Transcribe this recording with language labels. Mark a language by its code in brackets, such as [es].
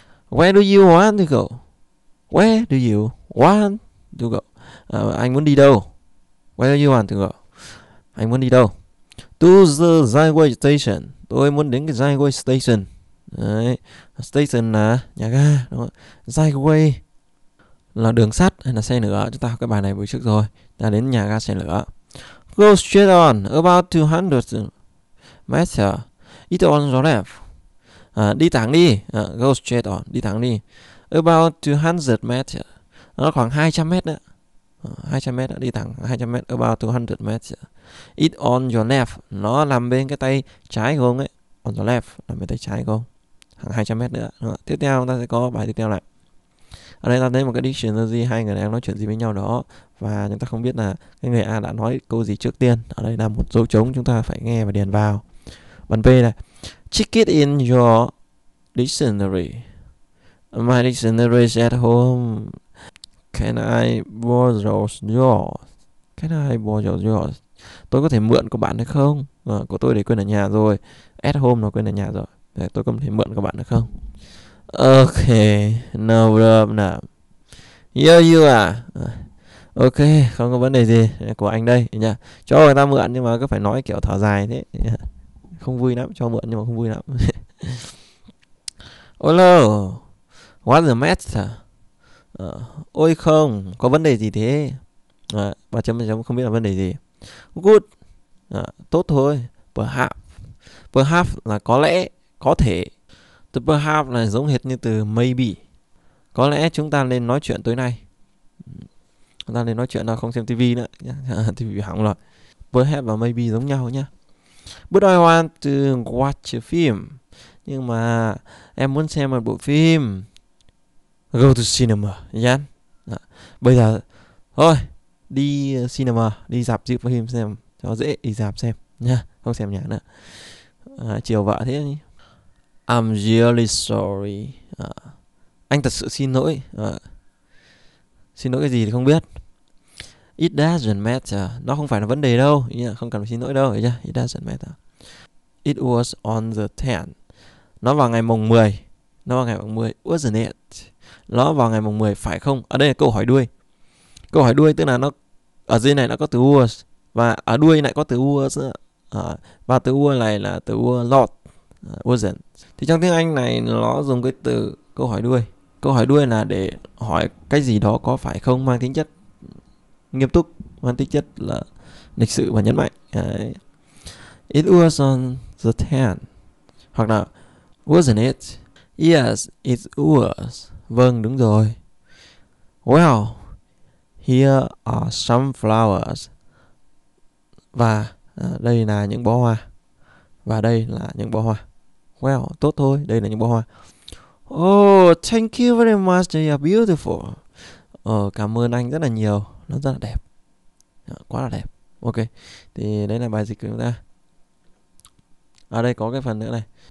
[en] Where do you want to go? Where do you want to go? [vi] Anh muốn đi đâu? [en] Where do you want to go? Anh muốn đi đâu? To the railway station. [vi] Tôi muốn đến cái railway station. Đấy. Station là nhà ga, đúng không? Railway là đường sắt hay là xe lửa. Chúng ta học cái bài này buổi trước rồi. Ta đến nhà ga xe lửa. [en] Go straight on about 200 meters. It on the left. [vi] Đi thẳng đi. [en] Go straight on. [vi] Đi thẳng đi. [en] About 200 meters. [vi] Nó khoảng 200 mét đó. 200 mét đó. Đi thẳng 200 mét. [en] About 200 meters. It on your left. [vi] Nó nằm bên cái tay trái của ông ấy. [en] On your left. [vi] Nằm bên tay trái của ông. Khoảng 200 mét nữa. Tiếp theo chúng ta sẽ có bài tiếp theo lại. Ở đây ta thấy một cái dictionary, hai người đang nói chuyện gì với nhau đó. Và chúng ta không biết là cái người A đã nói câu gì trước tiên. Ở đây là một dấu trống chúng ta phải nghe và điền vào. Bản B này. [en] Check it in your dictionary. My dictionary is at home. Can I borrow yours? Can I borrow yours? [vi] Tôi có thể mượn của bạn được không? Của tôi để quên ở nhà rồi. At home nó quên ở nhà rồi. Để tôi có thể mượn của bạn được không? [en] Ok, no problem now. Yo you are. [vi] Ok, không có vấn đề gì. Của anh đây nhá. Cho người ta mượn nhưng mà cứ phải nói kiểu thở dài thế. Không vui lắm, cho mượn nhưng mà không vui lắm. [en] Hello. What's the matter? [vi] Ôi không, có vấn đề gì thế? Và chấm chấm không biết là vấn đề gì. Good. Tốt thôi. Perhaps. Perhaps là có lẽ, có thể. Từ perhaps là giống hệt như từ maybe. Có lẽ chúng ta nên nói chuyện tối nay. Chúng ta nên nói chuyện nào, không xem tivi nữa nhá. Tivi hỏng rồi. Perhaps và maybe giống nhau nhá. [en] But I want to watch a film. [vi] Nhưng mà em muốn xem một bộ phim. [en] Go to cinema. Yeah. [vi] Bây giờ thôi, đi cinema, đi dạp dịp phim xem cho dễ, đi dạp xem nha, không xem nhà nữa. Chiều vợ thế nhỉ. [en] I'm really sorry. [vi] Anh thật sự xin lỗi. Xin lỗi cái gì thì không biết. [en] It doesn't matter. [vi] Nó không phải là vấn đề đâu. Không cần phải xin lỗi đâu. [en] It doesn't matter. It was on the 10th. [vi] Nó vào ngày mùng 10. Nó vào ngày mùng 10. [en] Wasn't it? [vi] Nó vào ngày mùng 10 phải không? Ở đây là câu hỏi đuôi. Câu hỏi đuôi tức là nó ở dưới này nó có từ was. Và ở đuôi lại có từ was. Và từ was này là từ was not. [en] Wasn't. [vi] Thì trong tiếng Anh này nó dùng cái từ câu hỏi đuôi. Câu hỏi đuôi là để hỏi cái gì đó có phải không, mang tính chất nghiêm túc, mang tính chất là lịch sự và nhấn mạnh. [en] Đấy. It was on the 10th. Hoặc là wasn't it? Yes, it was. [vi] Vâng, đúng rồi. [en] Well, here are some flowers. [vi] Và đây là những bó hoa. Và đây là những bó hoa. Well, tốt thôi, đây là những bó hoa. [en] Oh, thank you very much, they are beautiful. [vi] Cảm ơn anh rất là nhiều. Nó rất là đẹp. Quá là đẹp. Ok. Thì đấy là bài dịch của chúng ta. Ở đây có cái phần nữa này.